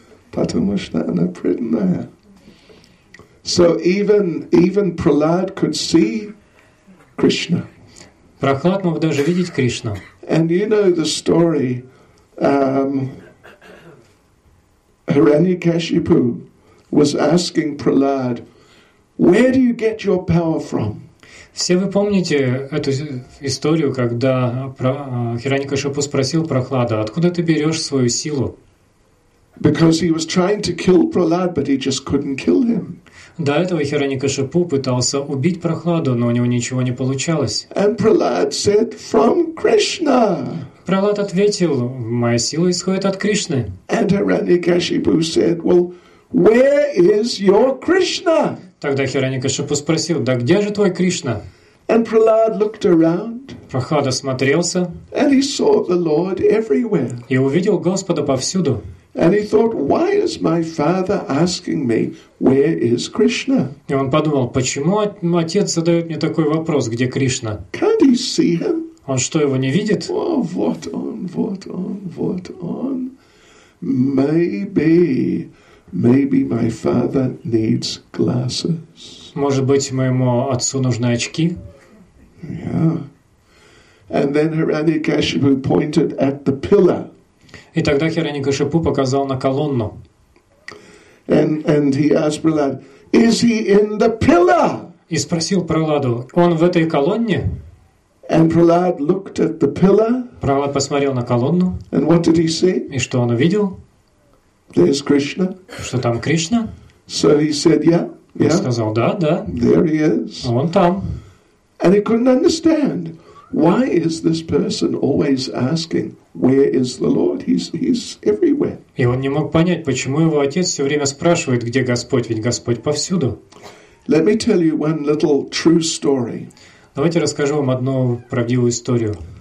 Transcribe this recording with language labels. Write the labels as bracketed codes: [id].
[ru] Потому что она преданная. [en] So even Prahlad could see Krishna. [ru] Прахлад мог даже видеть Кришну. [en] And you know the story. Hiranyakashipu was asking Prahlad, where do you get your power from? [ru] Все вы помните эту историю, когда Хиранякашипу спросил Прахлада, откуда ты берешь свою силу? [en] Because he was trying to kill Prahlad, but he just couldn't kill him. [ru] До этого Хиранякашипу пытался убить Прахладу, но у него ничего не получалось. [en] And Prahlad said, from Krishna. [ru] Прахлад ответил, моя сила исходит от Кришны. [en] And Hiranyakashipu said, well, where is your Krishna? [ru] Тогда Хиранякашипу спросил, да где же твой Кришна? [en] And Prahlad looked around. [ru] Прахлад осмотрелся. [en] And he saw the Lord everywhere. [ru] И увидел Господа повсюду. [en] And he thought, why is my father asking me, where is Krishna? [ru] И он подумал, почему отец задает мне такой вопрос, где Кришна? [en] Can't he see him? [ru] Он что, его не видит? О, вот он, вот он, вот он. [en] Maybe my father needs glasses. [ru] Может быть, моему отцу нужны очки? [en] Yeah. And then Hiranyakashipu pointed at the pillar. [ru] И тогда Хиранякашипу показал на колонну. [en] And he asked Prahlad, "Is he in the pillar?" [ru] И спросил Прахладу, "Он в этой колонне?" [en] And Prahlad looked at the pillar. [ru] Прахлад посмотрел на колонну. [en] And what did he see? [ru] И что он увидел? [en] There's Krishna. [ru] Что там Кришна? [en] So he said, yeah, yeah. [ru] Он сказал, да, да. [en] There he is. [ru] Он там. [en] And he couldn't understand why is this person always asking where is the Lord? He's everywhere. [ru] И он не мог понять, почему его отец все время спрашивает, где Господь, ведь Господь повсюду. [en] Let me tell you one little true story. [ru] Давайте расскажу вам одну правдивую историю.